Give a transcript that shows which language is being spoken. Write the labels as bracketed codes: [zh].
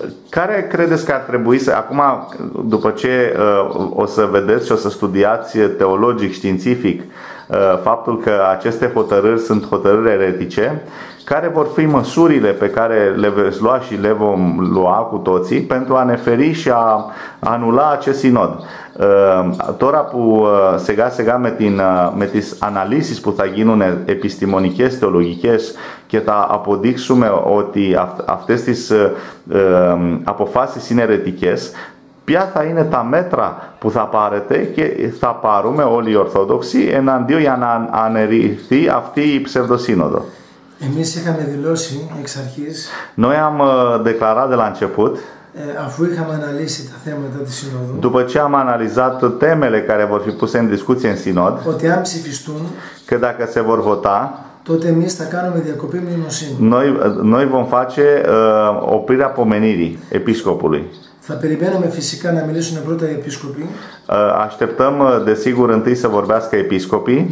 [ro] Care credeți că ar trebui să, acum după ce o să vedeți și o să studiați teologic, științific faptul că aceste hotărâri sunt hotărâri eretice, care vor fi măsurile pe care le veți lua și le vom lua cu toții pentru a ne feri și a anula acest sinod? [el] Τώρα που σιγά σιγά με τις αναλύσεις που θα γίνουν επιστημονικές, θεολογικές και θα αποδείξουμε ότι αυτές τις αποφάσεις είναι αιρετικές, ποια θα είναι τα μέτρα που θα πάρετε και θα πάρουμε όλοι οι Ορθόδοξοι εναντίον για να αναιρεθεί αυτή η ψευδοσύνοδο? Εμείς είχαμε δηλώσει εξ αρχής. [ro] Noi am declarat de la început. [el] Αφού είχαμε αναλύσει τα θέματα της Συνόδου. [ro] După ce am analizat temele care vor fi puse în discuție în Sinod. [el] Ότι αν ψηφιστούν. [ro] Că dacă se vor vota. [el] Τότε εμείς θα κάνουμε διακοπή μνημοσύνη. [ro] Noi vom face oprirea pomenirii episcopului. [el] Θα περιμένουμε φυσικά να μιλήσουν πρώτα οι επίσκοποι. [ro] Așteptăm, desigur, întâi să vorbească episcopii,